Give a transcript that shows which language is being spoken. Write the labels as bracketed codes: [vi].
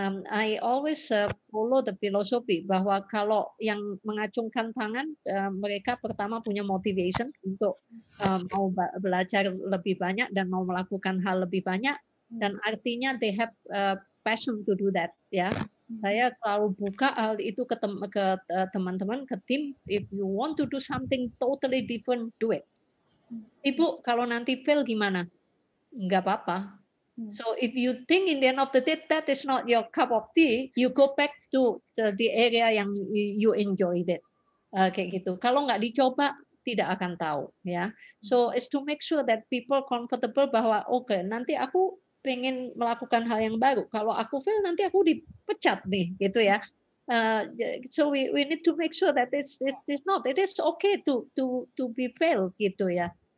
[en] I always follow the philosophy [id] bahwa kalau yang mengacungkan tangan, mereka pertama punya motivation untuk mau belajar lebih banyak dan mau melakukan hal lebih banyak, dan artinya [en] they have passion to do that, [id] ya. Yeah. Saya selalu buka hal itu ke teman-teman, ke tim. [en] If you want to do something totally different, do it. [id] Ibu, kalau nanti fail gimana? Enggak apa-apa. [en] So if you think in the end of the day that is not your cup of tea, you go back to the area yang you enjoyed it. [id] Kayak gitu. Kalau enggak dicoba, tidak akan tahu. Ya. [en] So it's to make sure that people comfortable [id] bahwa okay, nanti aku pengen melakukan hal yang baru. Kalau aku fail, nanti aku dipecat nih, gitu [en] ya. So we need to make sure that it is okay to be fail, gitu ya.